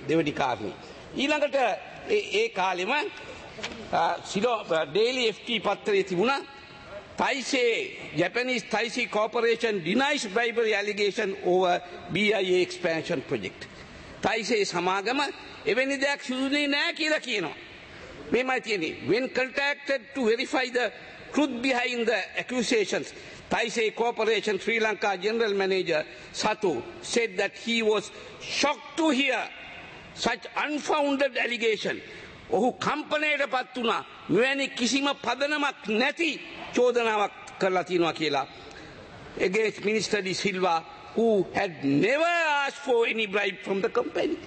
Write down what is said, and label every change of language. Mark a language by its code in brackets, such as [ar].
[si] දෙවැනි කාරණේ ඊළඟට ඒ කාලෙම [en] සිලෝ Daily FT [si] පත්‍රයේ තිබුණා [en] Taisei Japanese Taisei Corporation denies bribery allegation over BIA expansion project. [si] තයිසේ සමාගම එවැනි දෙයක් සිදුනේ නෑ කියලා කියනවා. මේමයි තියෙන්නේ [en] when contacted to verify the truth behind the accusations Taisei Corporation Sri Lanka General Manager Satu said that he was shocked to hear such unfounded allegation. [si] ඔහු කම්පණයට පත් වුණා මෙවැනි කිසිම පදනමක් නැති චෝදනාවක් කරලා තිනවා කියලා. [en] Against Minister De Silva who had never asked for any bribe from the company.